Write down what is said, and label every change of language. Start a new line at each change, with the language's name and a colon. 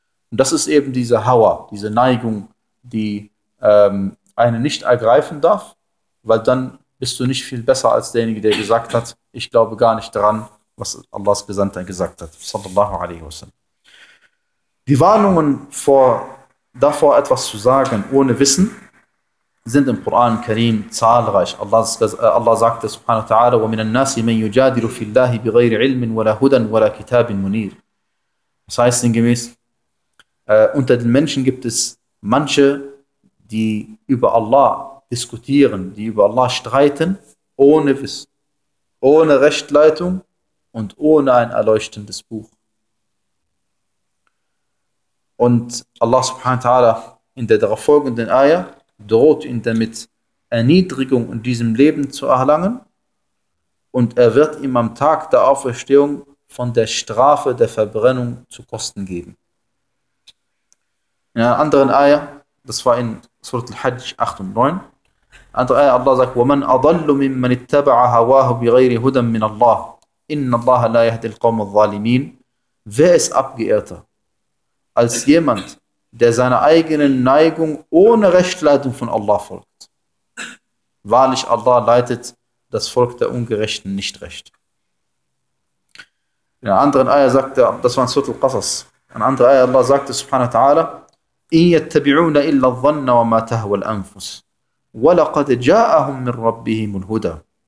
German: Und das ist eben diese Hawa, diese Neigung, die einen nicht ergreifen darf, weil dann bist du nicht viel besser als derjenige, der gesagt hat, ich glaube gar nicht daran, was Allahs Gesandter gesagt hat, sallallahu alaihi wasallam. Die Warnungen davor, etwas zu sagen, ohne Wissen, sind im Koran Karim zahlreich. Allah sagt es,
Arabic: subhanahu wa ta'ala, وَمِنَ النَّاسِ مَنْ يُجَادِلُ فِي اللَّهِ بِغَيْرِ عِلْمٍ وَلَا هُدًى وَلَا كِتَابٍ مُنِيرٍ.
German: Das heißt sinngemäß, unter den Menschen gibt es manche, die über Allah diskutieren, die über Allah streiten, ohne Wissen, ohne Rechtleitung und ohne ein erleuchtendes Buch. Und Allah subhanahu wa ta'ala in der darauf folgenden Aya droht ihn damit, Erniedrigung in diesem Leben zu erlangen, und er wird ihm am Tag der Auferstehung von der Strafe der Verbrennung zu Kosten geben. In einer anderen Aya, das war in Surat al-Hajj 8 und 9, andere Aya, Allah sagt,
Arabic: وَمَنْ أَضَلُّ مِمَّنِ اتَّبَعَ هَوَاهُ بِغَيْرِ هُدًى مِّنَ اللَّهِ إِنَّ اللَّهَ لَا يَهْدِ الْقَوْمَ الظَّالِمِينَ.
German: Wer ist abgeirrter als jemand, der seiner eigenen Neigung ohne Rechtleitung von Allah folgt? Wahrlich, Allah leitet das Volk der Ungerechten nicht recht. In einer anderen Aya sagt er, das war in Surat al-Qasas, in anderer Aya Allah sagte, subhanahu wa ta'ala,
Arabic: إِنْ يَتَّبِعُونَ إِلَّا الظَّنَّ وَمَا تَهْوَ الْأَنْفُسِ وَلَقَدْ جَاءَهُمْ مِنْ رَبِّهِمُ الْهُدَى.